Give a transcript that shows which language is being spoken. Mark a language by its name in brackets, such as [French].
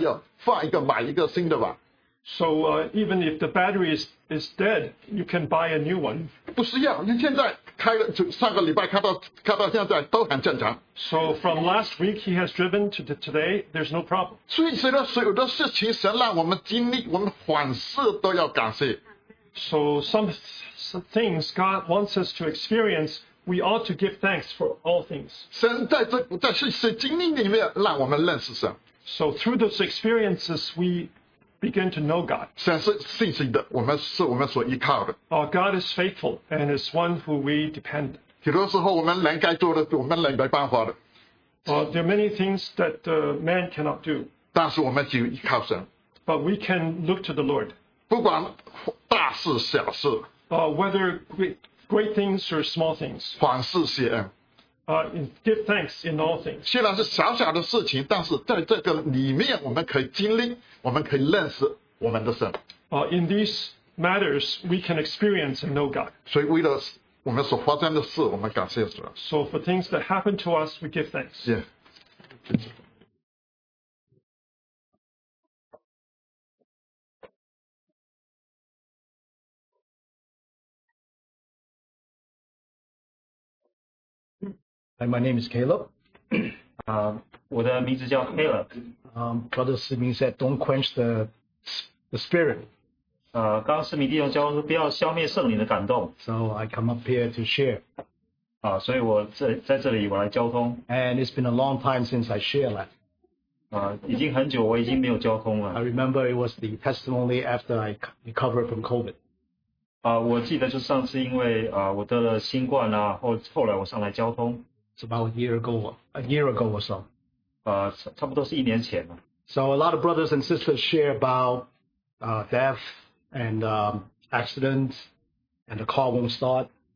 [Chinese] 所以说有的时候想，如果你是一年多的电池，就算电池了，我想如果电池坏掉，你还要换一个，买一个新的吧。 [English] So even if the battery is dead, you can buy a new one. [Chinese] 不需要，你现在。开了，上个礼拜开到现在都很正常。 [English] So from last week he has driven to today, there's no problem. [Chinese] 所以说有的事情神让我们经历，我们凡事都要感谢。 [English] So some things God wants us to experience, we ought to give thanks for all things. [Chinese] 神在这经历里面让我们认识神。 [English] So through those experiences we begin to know God. [Chinese] 神是信实的，我们是我们所依靠的。 [English] Our God is faithful and is one who we depend. [Chinese] 许多时候我们人该做的，我们人没办法的。 [English] There are many things that man cannot do. [Chinese] 但是我们只有依靠神。 [English] But we can look to the Lord. [Chinese] 不管大事小事。 [English] Whether great things or small things. [Chinese] 凡事谢恩。 [English] Give thanks in all things. [Chinese] 虽然是小小的事情，但是在这个里面，我们可以经历，我们可以认识我们的神。 [English] In these matters, we can experience and know God. [Chinese] 所以为了我们所发生的事，我们感谢主。 [English] So for things that happen to us, we give thanks. Yeah. Hi, my name is Caleb. [Chinese] 我的名字叫 Caleb. [English] Brother Siming said, "Don't quench the spirit." [Chinese] 刚刚世明弟兄教说不要消灭圣灵的感动. [English] So I come up here to share. [Chinese] 所以我在这里我来交通. [English] And it's been a long time since I shared that. [Chinese] 已经很久我已经没有交通了. [English] I remember it was the testimony after I recovered from COVID. [Chinese] 我记得就上次因为我得了新冠啊，后来我上来交通。 [English] It's about a year ago or so. [Chinese] 差不多是一年前了。 [English] So a lot of brothers and sisters share about death and accidents and the car won't start.